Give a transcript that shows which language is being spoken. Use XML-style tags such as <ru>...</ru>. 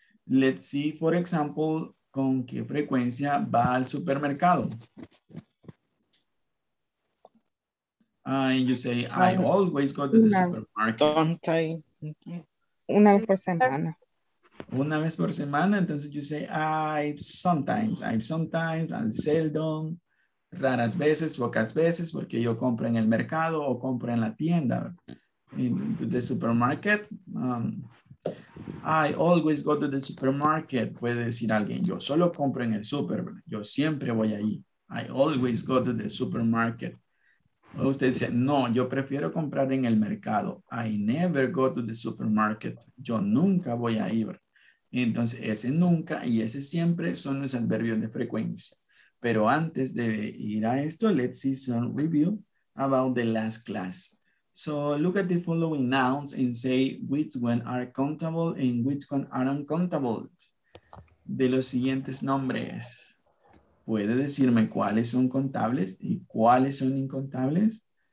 <en>Let's see, for example,</en> <es>¿con qué frecuencia va al supermercado?</es> <en>You say, I always go to the supermarket. Don't I?</en> <es>Una vez por semana. Una vez por semana, entonces</es> <en>you say, I sometimes, I seldom,</en> <es>raras veces, pocas veces, porque yo compro en el mercado o compro en la tienda,</es> <en>in the supermarket. I always go to the supermarket,</en> <es>puede decir alguien, yo solo compro en el super, yo siempre voy ahí.</es> <en>I always go to the supermarket.</en> <es>O usted dice, no, yo prefiero comprar en el mercado.</es> <en>I never go to the supermarket,</en> <es>yo nunca voy a ir. Entonces, ese nunca y ese siempre son los adverbios de frecuencia. Pero antes de ir a esto,</es> <en>let's see some review about the last class. So, look at the following nouns and say which one are countable and which one are uncountable.</en> <es>De los siguientes nombres, ¿puede decirme cuáles son contables y cuáles son incontables?</es>